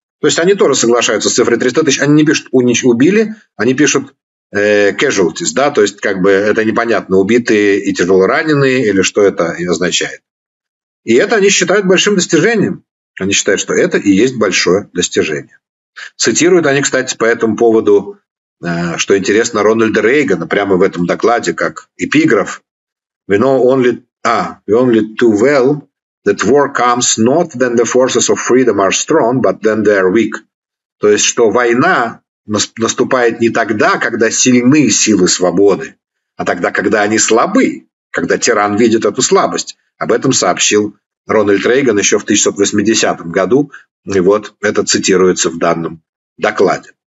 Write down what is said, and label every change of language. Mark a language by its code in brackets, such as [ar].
[ru] То есть они тоже соглашаются с цифрой 300 тысяч. Они не пишут «убили», они пишут «casualties», да, то есть как бы это непонятно, убитые и тяжело раненые, или что это означает. И это они считают большим достижением. Они считают, что это и есть большое достижение. Цитируют они, кстати, по этому поводу, что интересно, Рональда Рейгана прямо в этом докладе, как эпиграф. [en] We only too well that war comes not when the forces of freedom are strong, but when they are weak. [ru] То есть, что война наступает не тогда, когда сильны силы свободы, а тогда, когда они слабы, когда тиран видит эту слабость. Об этом сообщил Рональд Рейган еще в 1980 году. И вот это цитируется в данном докладе.